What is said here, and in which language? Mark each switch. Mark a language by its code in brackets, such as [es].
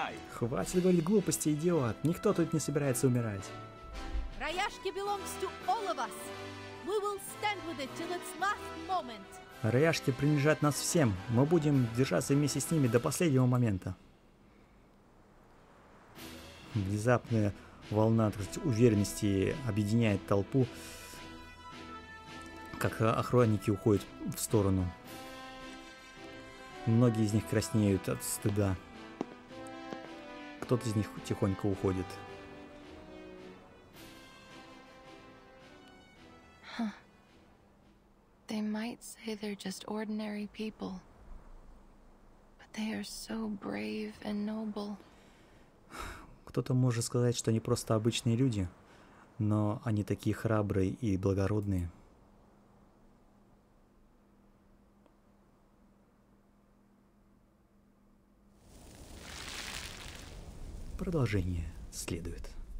[ru] Хватит говорить глупости, идиот. Никто тут не собирается умирать. [en] Раяшки belongs to all of us. We will stand with it till its last moment. [ru] Раяшки принадлежат нас всем. Мы будем держаться вместе с ними до последнего момента. Внезапная волна, так сказать, уверенности объединяет толпу. Как охранники уходят в сторону. Многие из них краснеют от стыда. Кто-то из них тихонько уходит. [en] They might say they're just ordinary people, but they are so brave and noble. [ru] Кто-то может сказать, что они просто обычные люди, но они такие храбрые и благородные. Продолжение следует.